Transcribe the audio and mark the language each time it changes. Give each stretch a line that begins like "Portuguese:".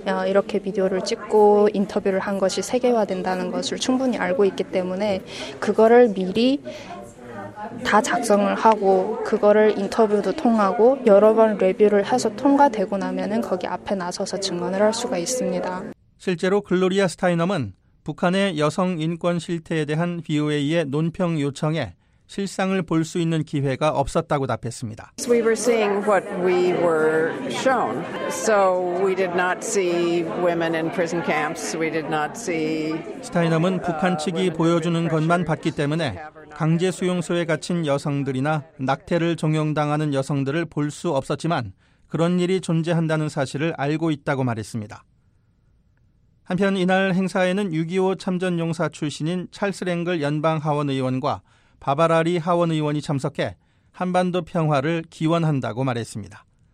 Korean: 이렇게 비디오를 찍고 인터뷰를 한 것이 세계화된다는 것을 충분히 알고 있기 때문에 그거를 미리 다 작성을 하고 그거를 인터뷰도 통하고 여러 번 리뷰를 해서 통과되고 나면은 거기 앞에 나서서 증언을 할 수가 있습니다. 실제로 글로리아 스타이넘은 북한의 여성 인권 실태에 대한 BOA의 논평 요청에 실상을 볼 수 있는 기회가 없었다고 답했습니다.
English: We were seeing what we were shown. So we did not see women in prison camps. We did not see
Korean: 스타이넘은 북한 측이 보여주는 것만 봤기 때문에 강제 수용소에 갇힌 여성들이나 낙태를 종용당하는 여성들을 볼 수 없었지만 그런 일이 존재한다는 사실을 알고 있다고 말했습니다. 한편 이날 행사에는 6.25 참전용사 출신인 찰스 랭글 연방 하원 의원과 바바라리 하원 의원이 참석해 한반도 평화를 기원한다고 말했습니다.